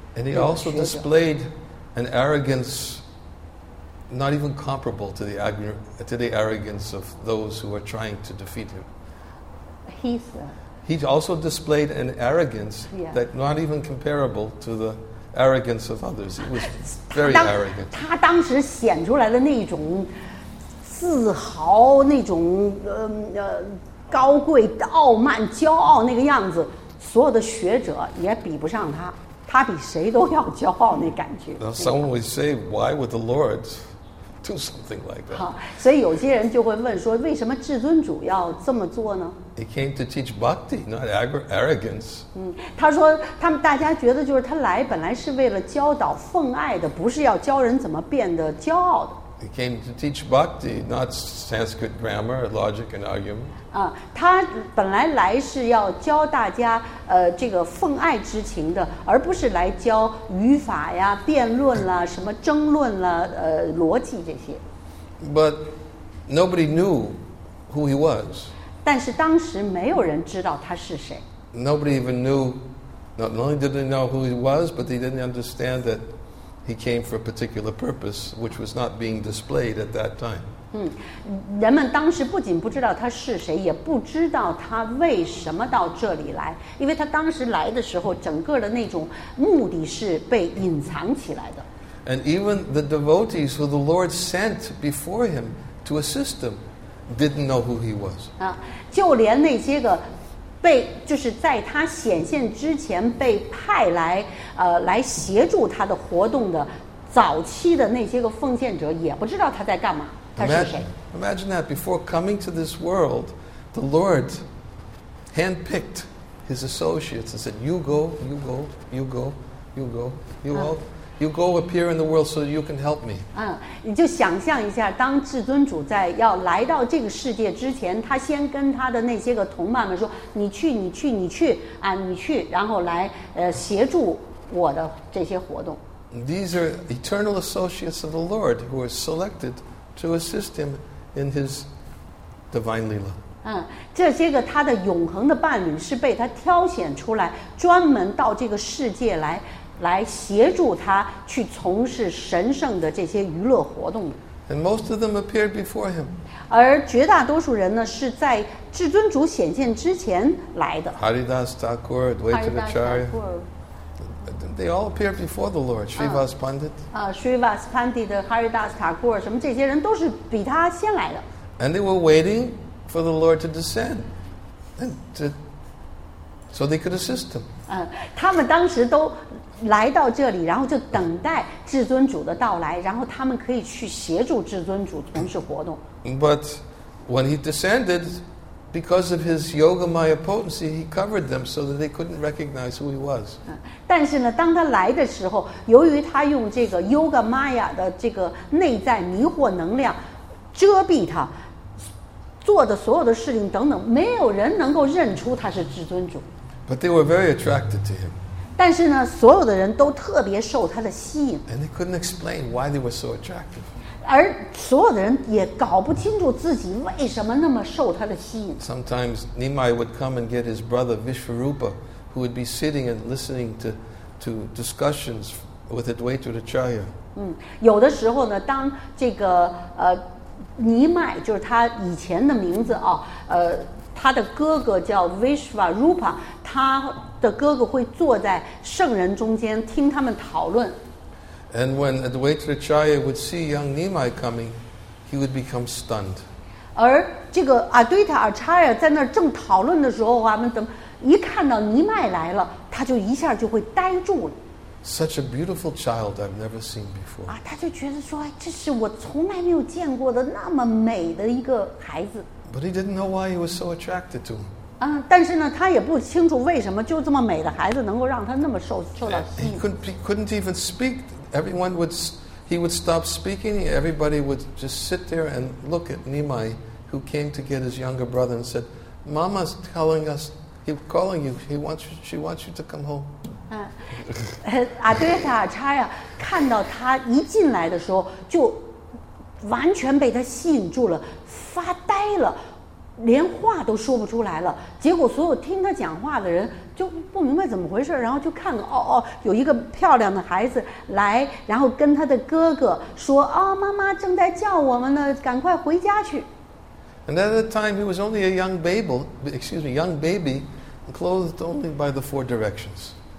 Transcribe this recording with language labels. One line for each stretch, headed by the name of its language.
English: And he also displayed an arrogance not even comparable to the arrogance of those who are trying to defeat him. peace. He also displayed an arrogance that not even comparable to the arrogance of others. He was very arrogant.
Chinese: 他当时显出来的那种自豪，那种高贵、傲慢、骄傲那个样子，所有的学者也比不上他。他比谁都要骄傲那感觉。
English: Now, someone would say, "Why would the Lord do something like that?"
Chinese: 好，所以有些人就会问说，为什么至尊主要这么做呢？
English: He came to teach bhakti, not arrogance.
Chinese: 嗯，他说他们大家觉得就是他来本来是为了教导奉爱的，不是要教人怎么变得骄傲的。
English: He came to teach bhakti, not Sanskrit grammar, logic, and argument.
Chinese: 啊，他本来来是要教大家这个奉爱之情的，而不是来教语法呀、辩论啦、什么争论啦、逻辑这些。
English: But nobody knew who he was.
Chinese: 但是当时没有人知道他是谁。
English: Nobody even knew. Not only did they know who he was, but they didn't understand that he came for a particular purpose, which was not being displayed at that time.
Chinese: 嗯，人们当时不仅不知道他是谁，也不知道他为什么到这里来，因为他当时来的时候，整个的那种目的是被隐藏起来的。
English: And even the devotees who the Lord sent before him to assist him didn't know who he was.
Chinese: 啊，就连那些个被就是在他显现之前被派来来协助他的活动的早期的那些个奉献者也不知道他在干嘛。
English: Imagine that before coming to this world, the Lord handpicked his associates and said, "You go, you go, you go, you go, you go, you go appear in the world so you can help me."
Chinese: 嗯，你就想象一下，当至尊主在要来到这个世界之前，他先跟他的那些个同伴们说：“你去，你去，你去啊，你去，然后来协助我的这些活动。”
English: These are eternal associates of the Lord who are selected to assist him in his divine lila.
Chinese: 嗯，这些个他的永恒的伴侣是被他挑选出来，专门到这个世界来协助他去从事神圣的这些娱乐活动的。
English: And most of them appeared before him.
Chinese: 而绝大多数人呢，是在至尊主显现之前来的。
English: Haridas Thakur, Dvaitacharya. They all appeared before the Lord. Srivas Pandit.
Chinese: Srivas Pandit, Haridas Thakur, 什么这些人都是比他先来的。
English: And they were waiting for the Lord to descend, and to, so they could assist them.
Chinese: 他们当时都来到这里，然后就等待至尊主的到来，然后他们可以去协助至尊主从事活动。
English: But when he descended, because of his yogamaya potency, he covered them so that they couldn't recognize who he was.
Chinese: 但是呢，当他来的时候，由于他用这个 yogamaya 的这个内在迷惑能量遮蔽他做的所有的事情等等，没有人能够认出他是至尊主。
English: But they were very attracted to him.
Chinese: 但是呢，所有的人都特别受他的吸引。
English: And they couldn't explain why they were so attractive.
Chinese: 而所有的人也搞不清楚自己为什么那么受他的吸引。
English: Sometimes Nimai would come and get his brother Vishwarupa, who would be sitting and listening to discussions with Advaitacharya.
Chinese: 嗯，有的时候呢，当这个尼麦就是他以前的名字啊，他的哥哥叫 Vishwarupa, 他的哥哥会坐在圣人中间听他们讨论。
English: And when Advaitacharya would see young Nimai coming, he would become stunned.
Chinese: 而这个 Advaitacharya 在那儿正讨论的时候，他们怎么一看到尼麦来了，他就一下就会呆住了。
English: Such a beautiful child I've never seen before.
Chinese: 啊，他就觉得说，这是我从来没有见过的那么美的一个孩子。
English: But he didn't know why he was so attracted to him.
Chinese: 但是呢，他也不清楚为什么就这么美的孩子能够让他那么受到吸引。
English: He couldn't even speak. He would stop speaking. Everybody would just sit there and look at Nimai, who came to get his younger brother and said, "Mama's telling us, he's calling you. She wants you to come home."
Chinese: Advaitacharya 看到他一进来的时候，就完全被他吸引住了，发呆了，连话都说不出来了。结果所有听他讲话的人。就不明白怎么回事，然后就看到有一个漂亮的孩子来，然后跟他的哥哥说：“妈妈正在叫我们呢，赶快回家去。”
English: And at that time, he was only a young babel, excuse me, young baby, clothed only by the four directions.